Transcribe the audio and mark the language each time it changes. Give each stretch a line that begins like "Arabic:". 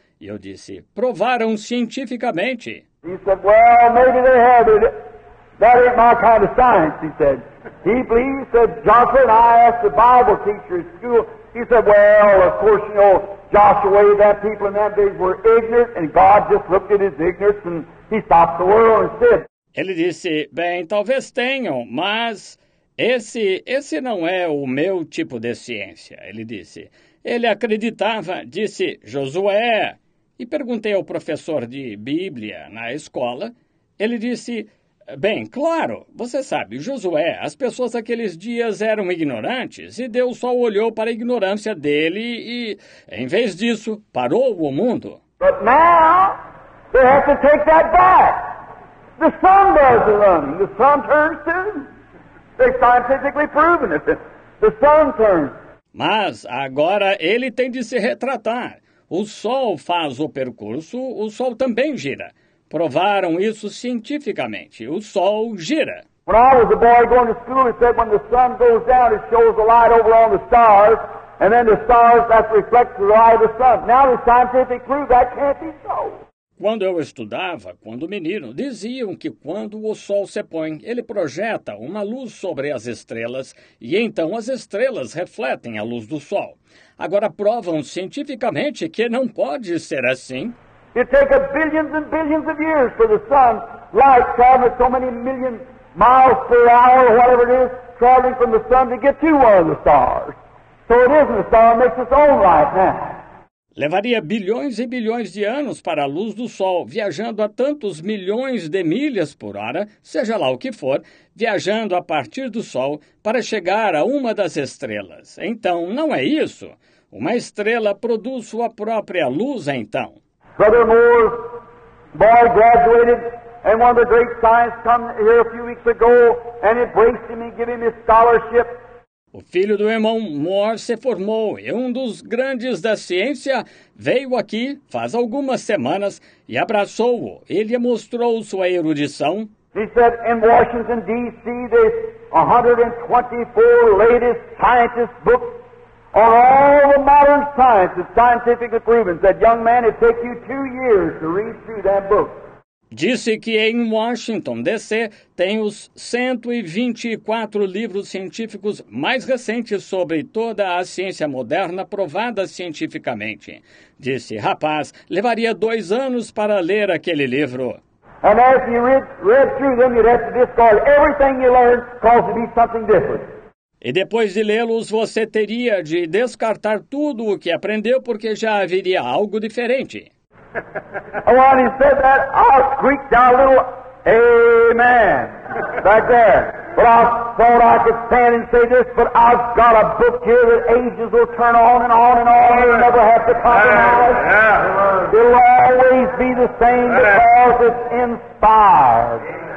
Portuguese: E eu disse, "Provaram cientificamente."
English: He said, "Well, maybe they have it. That ain't my kind of science," he said. He believed, said, "Joshua, and I asked the Bible teacher at school." He said, "Well, of course, you know, Joshua, that people in that day were ignorant, and God just looked at his ignorance, and he stopped the world and said."
Portuguese: Ele disse, "Bem, talvez tenham, mas... Esse não é o meu tipo de ciência," ele disse. Ele acreditava, disse, "Josué." E perguntei ao professor de Bíblia na escola. Ele disse, "Bem, claro, você sabe, Josué, as pessoas daqueles dias eram ignorantes e Deus só olhou para a ignorância dele e, em vez disso, parou o mundo."
English: But now, they have to take that back. The sun does the running. The sun turns to... They've scientifically proven it. The sun turns.
Portuguese: Mas agora ele tem de se retratar. O sol faz o percurso, o sol também gira. Provaram isso cientificamente. O sol gira.
English: When I was a boy going to school, he said when the sun goes down, it shows a light over on the stars, and then the stars, that reflects the light of the sun. Now the scientific proof, that can't be so.
Portuguese: Quando eu estudava, quando menino, diziam que quando o sol se põe, ele projeta uma luz sobre as estrelas e então as estrelas refletem a luz do sol. Agora provam cientificamente que não pode ser assim.
English: It takes billions and billions of years for the sun, light traveling so many million miles per hour, whatever it is, traveling from the sun to get to one of the stars. So it isn't a star, it makes its own light now.
Portuguese: Levaria bilhões e bilhões de anos para a luz do sol, viajando a tantos milhões de milhas por hora, seja lá o que for, viajando a partir do sol para chegar a uma das estrelas. Então, não é isso. Uma estrela produz sua própria luz, então.
English: Brother Moore's boy graduated, and one of the great scientists came here a few weeks ago and embraced him and gave him his scholarship.
Portuguese: O filho do irmão Moore se formou e um dos grandes da ciência veio aqui faz algumas semanas e abraçou-o. Ele mostrou sua erudição.
English: He said in Washington, D.C., there's 124 latest scientist books on all the modern science and scientific improvements. That young man, it takes you 2 years to read through that book.
Portuguese: Disse que em Washington, D.C., tem os 124 livros científicos mais recentes sobre toda a ciência moderna provada cientificamente. Disse, rapaz, levaria 2 anos para ler aquele livro.
English: And as you read through them, you'd have to discard everything you learned because it'd be something different.
Portuguese: E depois de lê-los, você teria de descartar tudo o que aprendeu porque já haveria algo diferente.
English: When he said that, I squeaked out a little amen back there. But I thought I could stand and say this, but I've got a book here that ages will turn on and on and on. You'll never have to compromise. It'll always be the same because it's inspired.